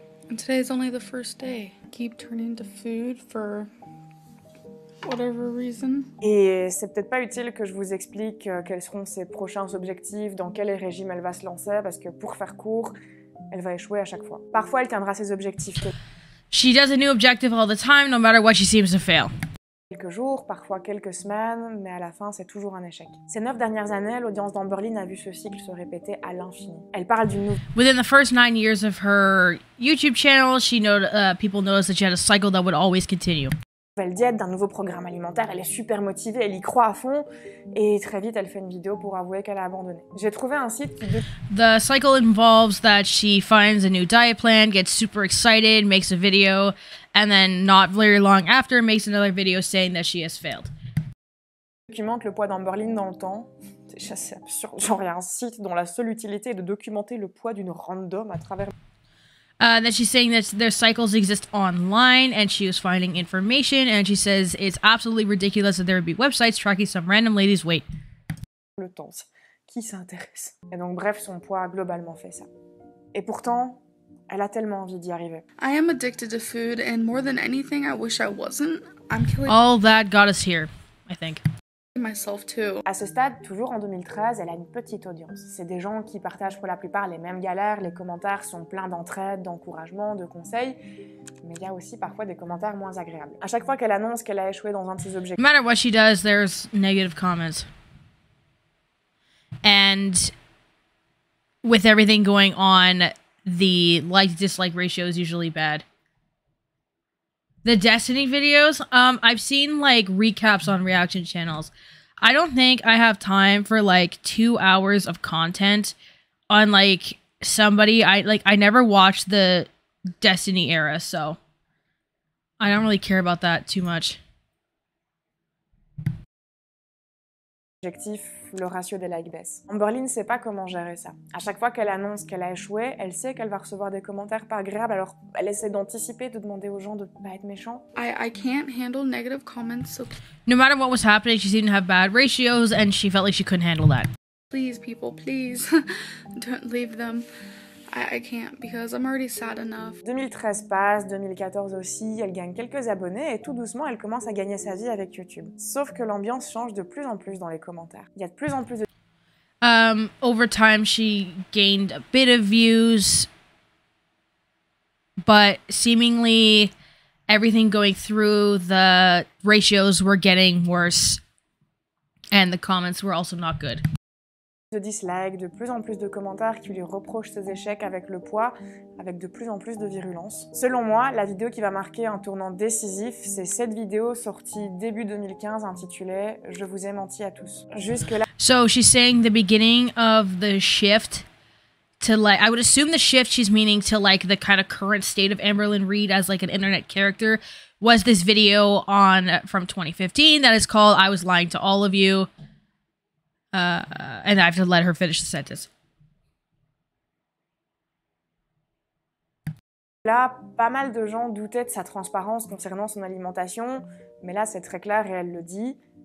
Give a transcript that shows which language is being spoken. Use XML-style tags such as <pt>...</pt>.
<en>And today is only the first day. I keep turning to food for whatever reason.</en> <fr>Et c'est peut-être pas utile que je vous explique quels seront ses prochains objectifs, dans quel régime elle va se lancer, parce que pour faire court, elle va échouer à chaque fois. Parfois, elle tiendra ses objectifs.</fr> <en>She does a new objective all the time, no matter what, she seems to fail.</en> <fr>Quelques jours, parfois quelques semaines, mais à la fin, c'est toujours un échec. Ces 9 dernières années, l'audience d'Amberlynn a vu ce cycle se répéter à l'infini. Elle parle d'une nouvelle.</fr> <en>Within the first 9 years of her YouTube channel, people noticed that she had a cycle that would always continue.</en> <fr>Nouvelle diète, d'un nouveau programme alimentaire, elle est super motivée, elle y croit à fond, et très vite, elle fait une vidéo pour avouer qu'elle a abandonné. J'ai trouvé un site qui.</fr> <en>The cycle involves that she finds a new diet plan, gets super excited, makes a video. And then, not very long after, makes another video saying that she has failed.</en> <fr>Documente le poids d'Amberlynn dans le temps. Déjà, c'est absurde. Genre, il y a un site dont la seule utilité est de documenter le poids d'une random à travers.</fr> <en>That she's saying that their cycles exist online, and she was finding information, and she says it's absolutely ridiculous that there would be websites tracking some random lady's weight.</en> <fr>Le temps. Qui s'intéresse? Et donc, bref, son poids a globalement fait ça. Et pourtant. Elle a tellement envie d'y arriver.</fr> <en>I am addicted to food and more than anything I wish I wasn't. I'm killing all that got us here, I think. Myself too.</en> <fr>À ce stade, toujours en 2013, elle a une petite audience. C'est des gens qui partagent pour la plupart les mêmes galères, les commentaires sont pleins d'entraide, d'encouragement, de conseils, mais il y a aussi parfois des commentaires moins agréables. À chaque fois qu'elle annonce qu'elle a échoué dans un de ses objectifs.</fr> <en>No matter what she does, there's negative comments. And with everything going on, the like-dislike ratio is usually bad. The Destiny videos? I've seen, like, recaps on reaction channels. I don't think I have time for, like, 2 hours of content on, like, somebody. I never watched the Destiny era, so I don't really care about that too much.</en> <fr>Objectif, le ratio des likes baisse. Amberlynn ne sait pas comment gérer ça. À chaque fois qu'elle annonce qu'elle a échoué, elle sait qu'elle va recevoir des commentaires pas agréables, alors elle essaie d'anticiper, de demander aux gens de pas être méchants.</fr> <en>I can't handle negative comments, so... No matter what was happening, she seemed to have bad ratios and she felt like she couldn't handle that. Please, people, please, don't leave them. I can't because I'm already sad enough.</en> <fr>2013 passe, 2014 aussi, elle gagne quelques abonnés et tout doucement elle commence à gagner sa vie avec YouTube. Sauf que l'ambiance change de plus en plus dans les commentaires. Il y a de plus en plus de...</fr> <en>Over time she gained a bit of views, but seemingly everything going through, the ratios were getting worse and the comments were also not good.</en> <fr>De dislikes, de plus en plus de commentaires qui lui reprochent ses échecs avec le poids, avec de plus en plus de virulence. Selon moi, la vidéo qui va marquer un tournant décisif, c'est cette vidéo sortie début 2015 intitulée « Je vous ai menti à tous ». Jusque là.</fr> <en>So she's saying the beginning of the shift to like, I would assume the shift she's meaning to like the kind of current state of Amberlynn Reid as like an internet character was this video on from 2015 that is called « I was lying to all of you ». And I have to let her finish the sentence.</en> <fr>Là, pas mal de gens doutaient de sa transparence concernant son alimentation, mais là, c'est très clair et elle le dit.</fr>